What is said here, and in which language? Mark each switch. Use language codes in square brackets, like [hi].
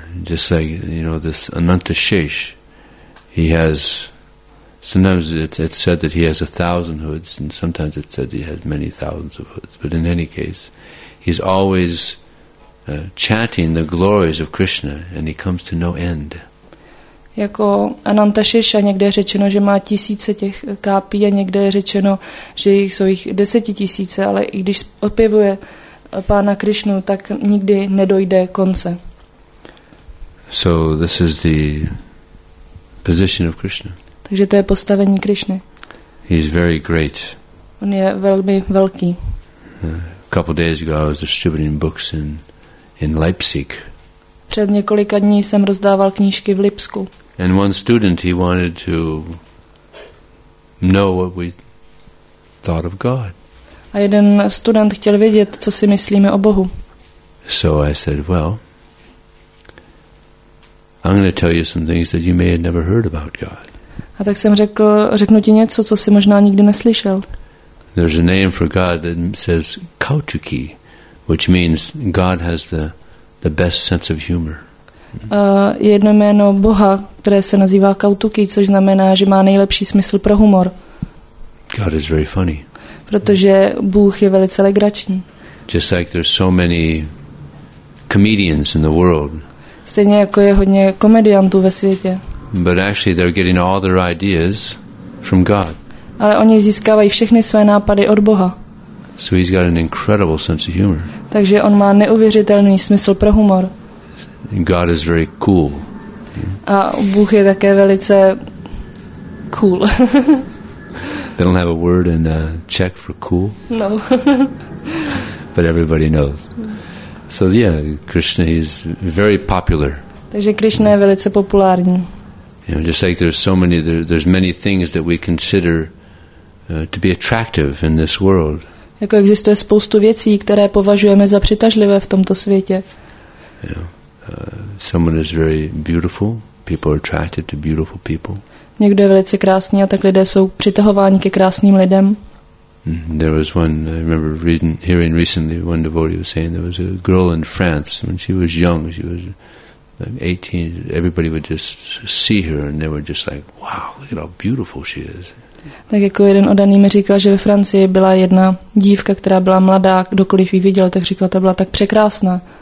[en] Just like, you know, this Ananta Shesh, he has, sometimes it's said that he has 1,000 hoods, and sometimes it's said he has many thousands of hoods, but in any case, he's always chanting the glories of Krishna, and he comes to no end. [cs] Jako Ananta Shesha někde je řečeno, že má tisíce těch kápí a někde je řečeno, že jich jsou jich 10 000, ale i když opěvuje Pána Krišnu, tak nikdy nedojde konce. [en] So this is the position of Krishna. [cs] Takže to je postavení Krišny. [en] He is very great. [cs] On je velmi velký. [en] A couple days ago I was distributing books in Leipzig. [cs] Před několika dní jsem rozdával knížky v Lipsku. [en] And one student, he wanted to know what we thought of God. [cs] A jeden student chtěl vědět, co si myslíme o Bohu. [en] So I said, well, I'm going to tell you some things that you may have never heard about God. [cs] A tak jsem řekl, řeknu ti něco, co si možná nikdy neslyšel. [en] There's a name for God that says Kautuki, which means God has the best sense of humor. [cs] Jedno jméno Boha, které se nazývá Kautuki, což znamená, že má nejlepší smysl pro humor. [en] God is very funny. [cs] Protože Bůh je velice legrační. [en] Just like there's so many comedians in the world. [cs] Stejně jako je hodně komediantů ve světě. [en] But actually they're getting all their ideas from God. [cs] Ale oni získávají všechny své nápady od Boha. [en] So he's got an incredible sense of humor. [cs] Takže on má neuvěřitelný smysl pro humor. [en] God is very cool. [cs] A Bůh je také velice cool. [en] They don't have a word in Czech for cool. [cs] No. [en] But everybody knows. So yeah, Krishna is very popular. [cs] Takže Krishna je velice populární. [en] You know, just like there's so many, there's many things that we consider to be attractive in this world. [cs] Jako existuje spoustu věcí, které považujeme za přitažlivé v tomto světě. [en] Yeah. Someone is very beautiful. People are attracted to beautiful people. [cs] Někdo je velice krásný a tak lidé jsou přitahováni ke krásným lidem. [en] There was one, I remember reading, hearing recently, one devotee was saying there was a girl in France when she was young, she was like 18, everybody would just see her and they were just like, wow, look at how beautiful she is. [cs] Tak jako jeden odaný mi říkal, že ve Francii byla jedna dívka, která byla mladá, kdokoliv ji viděl, tak říkal, ta byla tak překrásná.